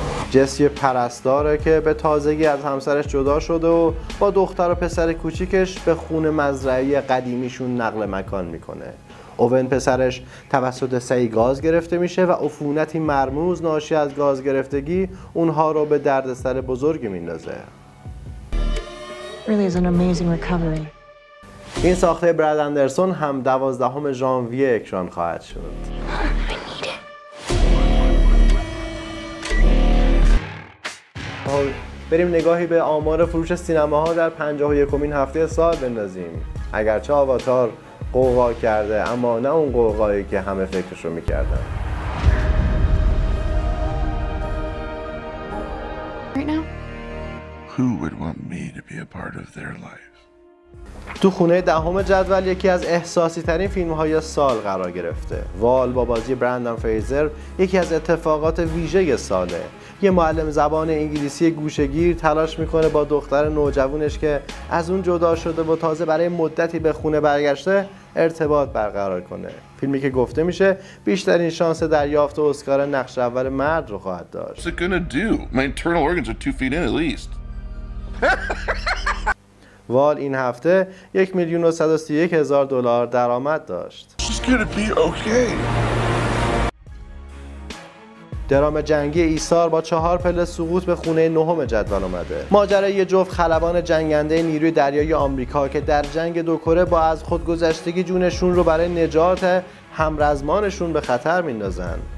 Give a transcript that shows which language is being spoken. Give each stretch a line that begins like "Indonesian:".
Persian: جس یه پرستاره که به تازگی از همسرش جدا شده و با دختر و پسر کوچیکش به خونه مزرعه قدیمیشون نقل مکان میکنه. اوون پسرش توسط سی گاز گرفته میشه و عفونتی مرموز ناشی از گاز گرفتگی اونها رو به دردسر بزرگی میندازه.
English: Really is an amazing recovery.
Persian: این ساخته براد اندرسون هم 12 ژانویه اکران خواهد شد. بریم نگاهی به آمار فروش سینماها در 51 هفته سال بندازیم. اگرچه آواتار قوقا کرده، اما نه اون قوقایی که همه فکرش رو میکردن.
English: Right now? Who would want me to be a part of their life?
Persian: تو خونه 10 جدول یکی از احساسی ترین فیلم های سال قرار گرفته. وال با بازی برندن فریزر یکی از اتفاقات ویژه ساله. یه معلم زبان انگلیسی گوشه‌گیر تلاش میکنه با دختر نوجوانش که از اون جدا شده و تازه برای مدتی به خونه برگشته ارتباط برقرار کنه. فیلمی که گفته میشه بیشترین شانس دریافت اسکار نقش اول مرد رو خواهد داشت.
English: What's it gonna do? My internal organs are 2 feet in at least.
Persian: وال این هفته 1,131,000 دلار درآمد داشت.
English: She's gonna be okay.
Persian: درام جنگی ایثار با 4 سقوط به خونه 9 جدول اومده. ماجرای یه جفت خلبان جنگنده نیروی دریایی آمریکا که در جنگ دو کره با از خودگذشتگی جونشون رو برای نجات همرزمانشون به خطر میندازن.